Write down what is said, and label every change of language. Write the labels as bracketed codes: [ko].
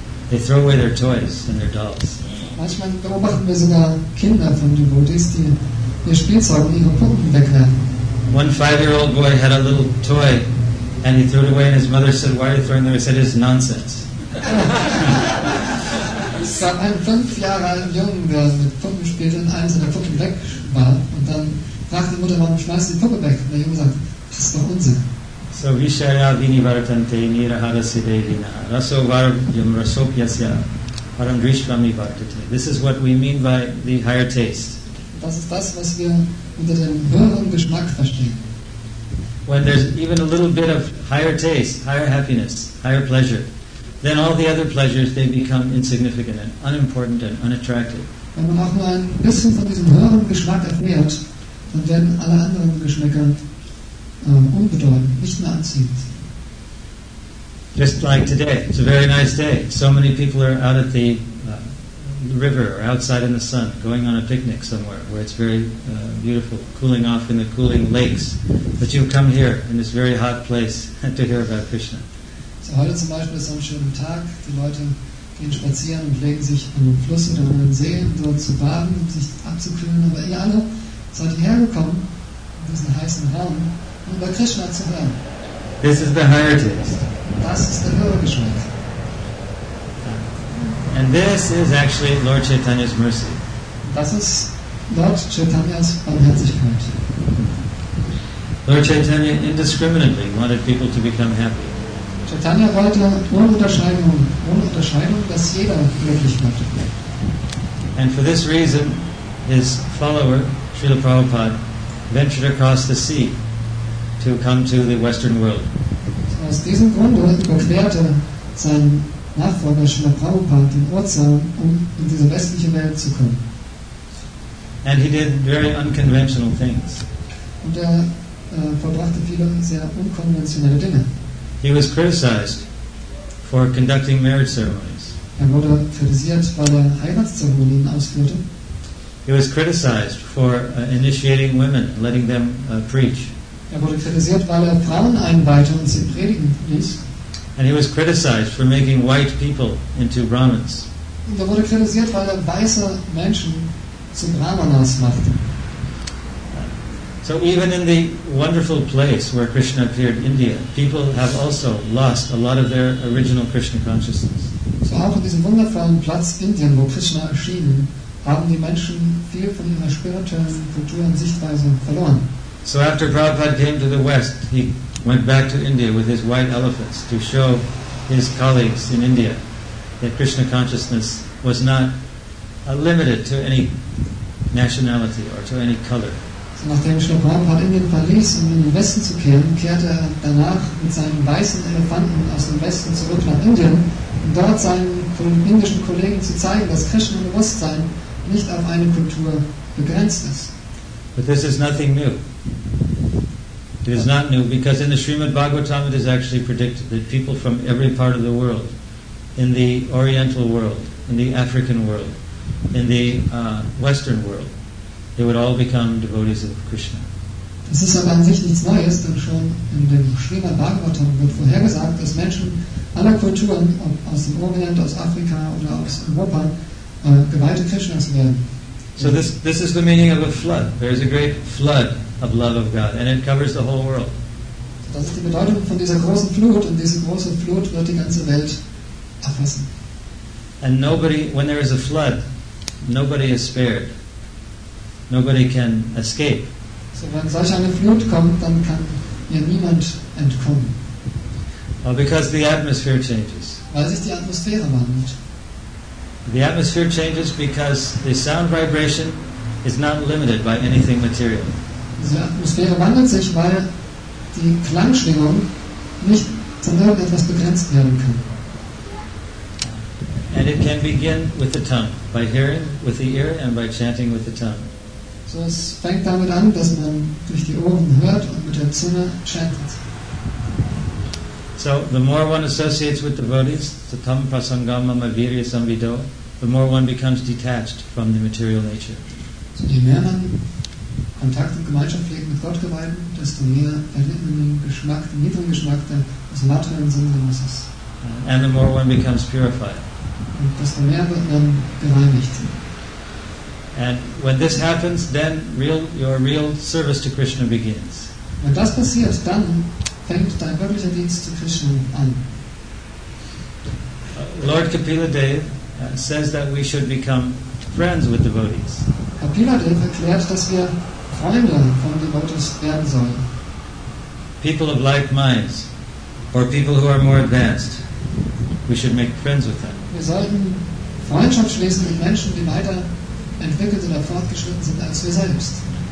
[en] They throw away their toys and their dolls. [de] Manchmal beobachten wir sogar Kinder von Devotees, die ihr Spielzeug und ihre Puppen wegwerfen. [en] One 5-year-old boy had a little toy and he threw it away and his mother said, why are you throwing it away? He said, it's nonsense. [de] Es gab einen 5-Jahre-alten Jungen, der mit Puppen spielte und eins seiner Puppen weg war. Und dann fragte die Mutter, warum schmeißt du die Puppe weg? Und der Junge sagt, das ist doch Unsinn. [sa] So Vishaya Vini Vartante Nira Harasidevina Raso Varyam Rasopyasya Parandrishvami Vartate. [en] This is what we mean by the higher taste. [de] Das ist das, was wir unter dem höheren Geschmack verstehen. [en] When there's even a little bit of higher taste, higher happiness, higher pleasure, then all the other pleasures, they become insignificant and unimportant and unattractive. [de] Wenn man auch nur ein bisschen von diesem höheren Geschmack erfährt, dann werden alle anderen Geschmäcker unbedeutend, nicht mehr anziehend. [en] Just like today, it's a very nice day. So many people are out at the river or outside in the sun, going on a picnic somewhere where it's very beautiful, cooling off in the cooling lakes. But you come here in this very hot place to hear about Krishna. [de] So heute zum Beispiel ist so ein schöner Tag. Die Leute gehen spazieren und legen sich an den Fluss oder an den See, um dort zu baden, um sich abzukühlen. Aber ihr alle seid hierher gekommen, in diesen heißen Raum, um über Krishna zu hören. [en] This is the higher taste. [de] Das ist der höhere Geschmack. [en] And this is actually Lord Chaitanya's mercy. [de] Das ist Lord Chaitanyas Barmherzigkeit. [en] Lord Chaitanya indiscriminately wanted people to become happy. [de] Chaitanya wollte ohne Unterscheidung, dass jeder glücklich wird. [en] And for this reason, his follower, Srila Prabhupada, ventured across the sea to come to the Western world. [de] So aus diesem Grunde überquerte sein Nachfolger Srila Prabhupada den Ozean, um in diese westliche Welt zu kommen. [en] And he did very unconventional things. [de] Und er verbrachte viele sehr unkonventionelle Dinge. [en] He was criticized for conducting marriage ceremonies. [de] Er wurde kritisiert, weil er Heiratszeremonien ausführte. [en] He was criticized for initiating women, letting them preach. [de] Er wurde kritisiert, weil er Frauen einweihte und sie predigen ließ. [en] And he was criticized for making white people into Brahmins. [de] Und er wurde kritisiert, weil er weiße Menschen zu Brahmanas machte. [en] So even in the wonderful place where Krishna appeared, India, people have also lost a lot of their original Krishna consciousness. [de] So auch in diesem wundervollen Platz Indien, wo Krishna erschien, haben die Menschen viel von ihrer spirituellen Kultur und Sichtweise verloren. [en] So after Prabhupada came to the West, he went back to India with his white elephants to show his colleagues in India that Krishna consciousness was not limited to any nationality or to any color. [de] Nachdem Shri Prabhupada Indien verließ, um in den Westen zu kehren, kehrte er danach mit seinen weißen Elefanten aus dem Westen zurück nach Indien, um dort seinen indischen Kollegen zu zeigen, dass Krishna-Bewusstsein nicht auf eine Kultur begrenzt ist. [en] But this is nothing new. It is not new, because in the Srimad Bhagavatam it is actually predicted that people from every part of the world, in the Oriental world, in the African world, in the Western world, they would all become devotees of Krishna. [de] Das ist aber an sich nichts Neues, denn schon in dem Srimad Bhagavatam wird vorhergesagt, dass Menschen aller Kulturen, ob aus dem Orient, aus Afrika oder aus Europa, geweihte Krishnas werden. [en] So this is the meaning of a flood. There is a great flood of love of God, and it covers the whole world. [de] Das ist die Bedeutung von dieser großen Flut, und diese große Flut wird die ganze Welt erfassen. [en] And nobody, when there is a flood, nobody is spared. Nobody can escape. [de] So wenn solch eine Flut kommt, dann kann ja niemand entkommen. [en] Well, because the atmosphere changes. [de] Weil sich die Atmosphäre wandelt. [en] The atmosphere changes because the sound vibration is not limited by anything material. [de] Die Atmosphäre wandelt sich, weil die Klangschwingung nicht von irgendetwas begrenzt werden kann. [en] And it can begin with the tongue, by hearing with the ear and by chanting with the tongue. [de] So es fängt damit an, dass man durch die Ohren hört und mit der Zunge chantet. [en] So the more one associates with devotees, the [sa] tam prasangam mama virya samvido, [en] the more one becomes detached from the material nature. [de] So je mehr man Kontakt und Gemeinschaft pflegt mit Gott geweiht, desto mehr erlebt man den niedrigen Geschmack des materiellen Sinngenusses. [en] And the more one becomes purified. [de] Und desto mehr wird man gereinigt. [en] And when this happens, then your real service to Krishna begins. [de] Wenn das passiert, dann fängt dein wirklicher Dienst zu Krishna an. [en] Lord Kapila Dev says that we should become friends with devotees. [de] Kapila Dev erklärt, dass wir Freunde von Devotees werden sollen. [en] People of like minds, or people who are more advanced, we should make friends with them. [de] Wir sollten Freundschaft schließen mit Menschen, die weiterentwickelt oder fortgeschritten sind als wir selbst.